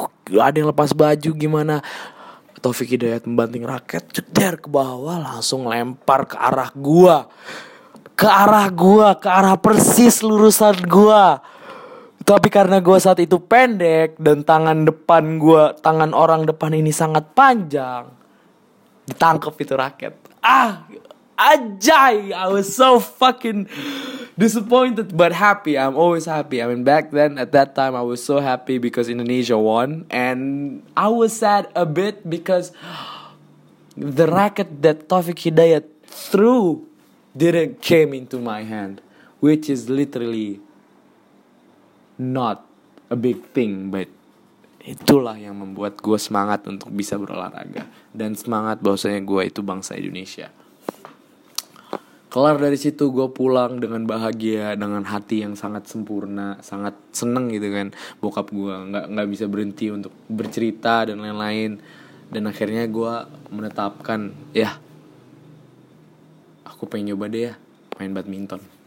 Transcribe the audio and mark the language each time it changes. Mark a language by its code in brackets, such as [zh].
[id] Ada yang lepas baju gimana? Taufik Hidayat membanting raket, ceder ke bawah, langsung lempar ke arah gua. Ke arah persis lurusan gua. Tapi karena gue saat itu pendek dan tangan depan gue, tangan orang depan ini sangat panjang, ditangkep itu raket. [en] Ah, ajay, I was so fucking disappointed but happy. I'm always happy. I mean back then at that time I was so happy because Indonesia won, and I was sad a bit because the racket that Taufik Hidayat threw didn't came into my hand, which is literally not a big thing, but [id] itulah yang membuat gue semangat untuk bisa berolahraga dan semangat bahwasanya gue itu bangsa Indonesia. Kelar dari situ gue pulang dengan bahagia, dengan hati yang sangat sempurna, sangat seneng gitu kan. Bokap gue nggak bisa berhenti untuk bercerita dan lain-lain, dan akhirnya gue menetapkan, ya aku pengen coba deh ya main badminton.